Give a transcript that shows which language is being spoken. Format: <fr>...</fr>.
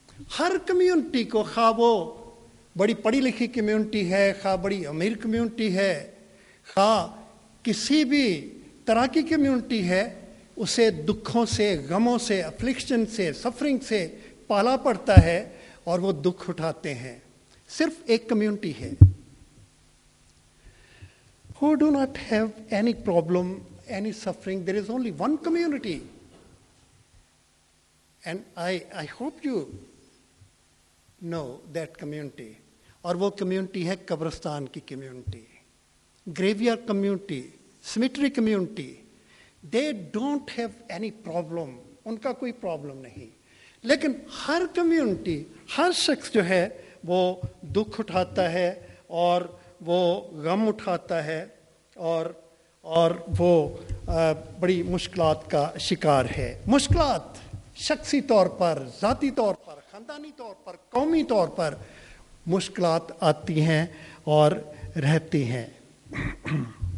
<hi>हर community को, खा वो बड़ी पढ़ी लिखी कम्युनिटी है, खा बड़ी अमीर कम्युनिटी है, खा किसी भी तरह की कम्युनिटी है, उसे दुखों से, गमों से, अफ्लिक्शन से, सफरिंग से पाला पड़ता है और वो दुख उठाते हैं. सिर्फ एक कम्युनिटी है</hi> <en>who do not have any problem, any suffering. There is only one community. And I hope you know that community.</en> <hi>और वो community है कब्रिस्तान की community,</hi> <en>graveyard community, cemetery community. They don't have any problem.</en> <hi>उनका कोई problem नहीं. लेकिन हर community, हर शख्स जो है वो दुख उठाता है और वो गम उठाता है और वो बड़ी मुश्किलात का शिकार है. मुश्किलात शख्सी तौर पर, जाती तौर पर, खानदानी तौर पर, कौमी तौर पर मुश्किलात आती हैं और रहती हैं.</hi>